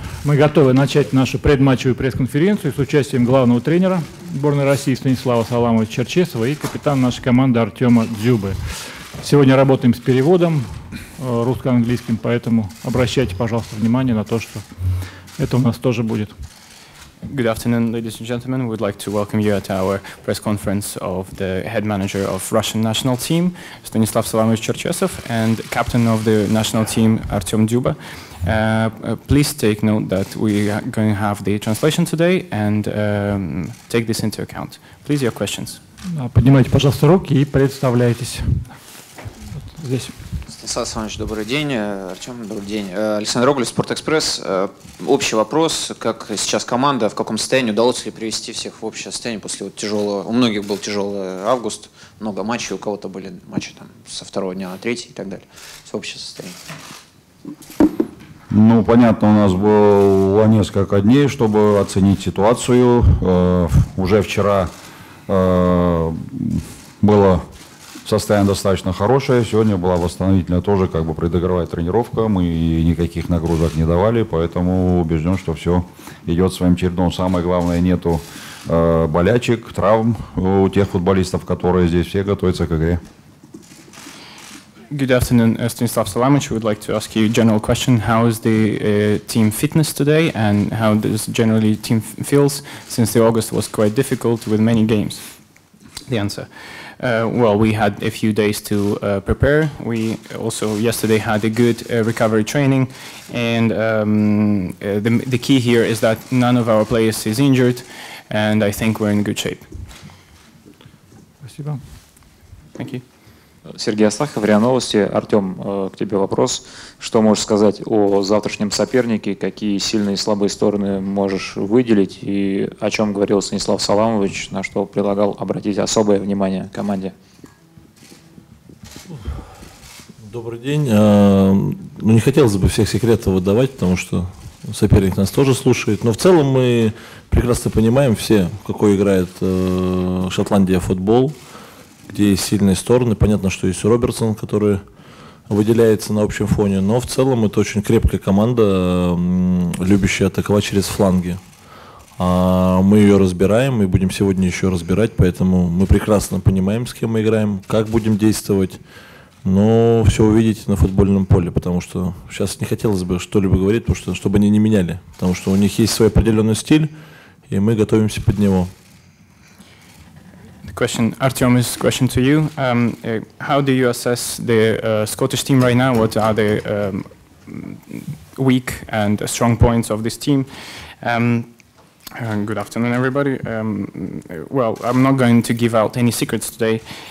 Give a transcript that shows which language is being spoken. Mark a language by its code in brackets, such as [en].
[ru] Мы готовы начать нашу предматчевую пресс-конференцию с участием главного тренера сборной России Станислава Саламовича Черчесова и капитана нашей команды Артема Дзюбы. Сегодня работаем с переводом русско-английским, поэтому обращайте, пожалуйста, внимание на то, что это у нас тоже будет. [en] Good afternoon, ladies and gentlemen. We'd like to welcome you at our press conference of the head manager of Russian national team, Stanislav Salamovich Cherchesov, and captain of the national team, Artem Dzyuba. Please take note that we are going to have the translation today, and take this into account. Please, your questions. [ru] Поднимайте, пожалуйста, руки и представляйтесь. Здесь. Станислав Салаевич, добрый день. Артем, добрый день. Александр Рогли, Спортэкспресс. Общий вопрос. Как сейчас команда, в каком состоянии, удалось ли привести всех в общее состояние после вот тяжелого, у многих был тяжелый август, много матчей, у кого-то были матчи там со второго дня на третий и так далее. В общее состояние. Ну, понятно, у нас было несколько дней, чтобы оценить ситуацию. Уже вчера было состояние достаточно хорошее. Сегодня была восстановительная тоже, как бы предыгровая тренировка. Мы никаких нагрузок не давали, поэтому убежден, что все идет своим чередом. Самое главное, нету болячек, травм у тех футболистов, которые здесь все готовятся к игре. [en] Good afternoon, Stanislav Salamovich. We would like to ask you a general question. How is the team fitness today, and how does generally the team feels since the August was quite difficult with many games? The answer. Well, we had a few days to prepare. We also yesterday had a good recovery training, and the key here is that none of our players is injured, and I think we're in good shape. [ru] Спасибо. [en] Thank you. [ru] Сергей Астахов, РИА Новости. Артем, к тебе вопрос. Что можешь сказать о завтрашнем сопернике? Какие сильные и слабые стороны можешь выделить? И о чем говорил Станислав Саламович, на что предлагал обратить особое внимание команде? Добрый день. Ну, не хотелось бы всех секретов выдавать, потому что соперник нас тоже слушает. Но в целом мы прекрасно понимаем все, какой играет Шотландия футбол. Где есть сильные стороны. Понятно, что есть Робертсон, который выделяется на общем фоне. Но в целом это очень крепкая команда, любящая атаковать через фланги. А мы ее разбираем и будем сегодня еще разбирать. Поэтому мы прекрасно понимаем, с кем мы играем, как будем действовать. Но все увидите на футбольном поле. Потому что сейчас не хотелось бы что-либо говорить, потому что, чтобы они не меняли. Потому что у них есть свой определенный стиль, и мы готовимся под него. [en] Question, Artyom's question to you. How do you assess the Scottish team right now? What are the weak and strong points of this team? Good afternoon, everybody. Well, I'm not going to give out any secrets today.